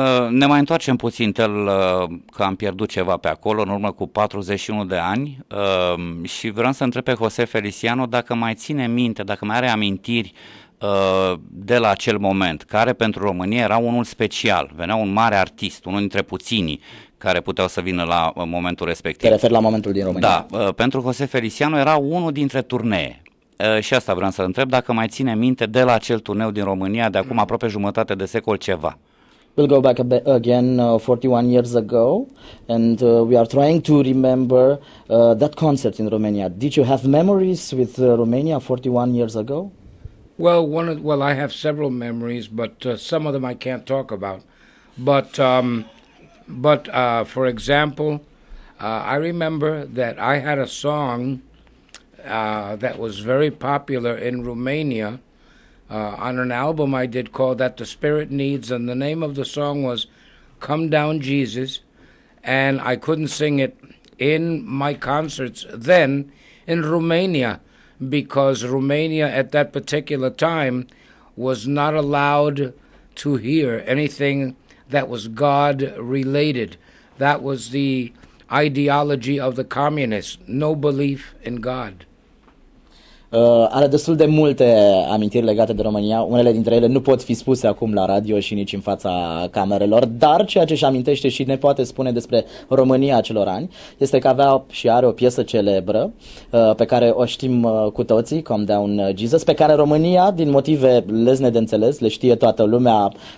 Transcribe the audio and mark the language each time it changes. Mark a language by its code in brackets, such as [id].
[ro] Ne mai întoarcem puțin că am pierdut ceva pe acolo în urmă cu 41 de ani și vreau să întreb pe José Feliciano dacă mai ține minte, dacă mai are amintiri de la acel moment, care pentru România era unul special, venea un mare artist, unul dintre puținii care puteau să vină la momentul respectiv. Te refer la momentul din România. Da, pentru José Feliciano era unul dintre turnee. Și asta vreau să întreb, dacă mai ține minte de la acel turneu din România de acum aproape jumătate de secol ceva. [en] We'll go back again 41 years ago, and we are trying to remember that concert in Romania. Did you have memories with Romania 41 years ago? Well, I have several memories, but some of them I can't talk about. But for example, I remember that I had a song that was very popular in Romania. On an album I did called That the Spirit Needs, and the name of the song was Come Down Jesus, and I couldn't sing it in my concerts then in Romania, because Romania at that particular time was not allowed to hear anything that was God-related. That was the ideology of the communists, no belief in God. [ro] Are destul de multe amintiri legate de România, unele dintre ele nu pot fi spuse acum la radio și nici în fața camerelor, dar ceea ce își amintește și ne poate spune despre România acelor ani este că avea și are o piesă celebră pe care o știm cu toții, Come Down Jesus, pe care România, din motive lesne de înțeles, le știe toată lumea